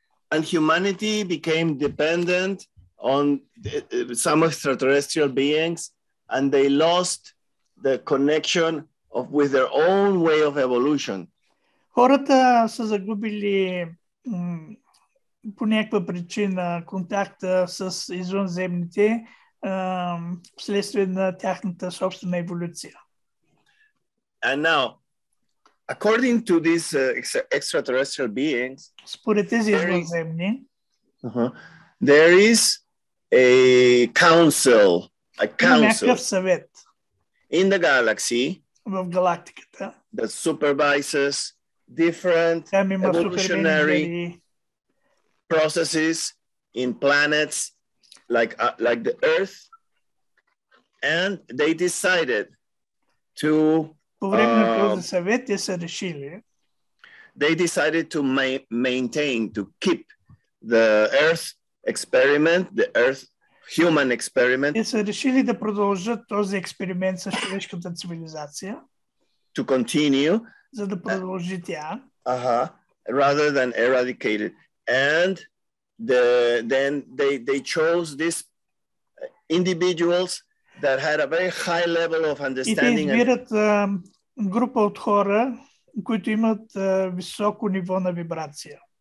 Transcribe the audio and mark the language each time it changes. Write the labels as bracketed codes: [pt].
[en] And humanity became dependent on some extraterrestrial beings, and they lost the connection of with their own way of evolution. [bg] Хората са загубили по някаква причина контакта с извънземните вследствие на тяхната собствена еволюция. [en] And now, according to these extraterrestrial beings, [bg] според тези извънземни, [en] there is a council, [bg] някакъв съвет [en] in the galaxy, [bg] в галактиката, [en] that supervises different evolutionary processes in planets like the Earth, and they decided to. [bg] По време на този съвет те са решили. [en] They decided to maintain, to keep the Earth experiment, the Earth human experiment. [bg] Те са решили да продължат този експеримент с човешката цивилизация. [en] To continue. [bg] За да продължи тя. [en] Rather than eradicated. And then they chose these individuals that had a very high level of understanding. [bg] И те избират група от хора, които имат високо ниво на вибрация.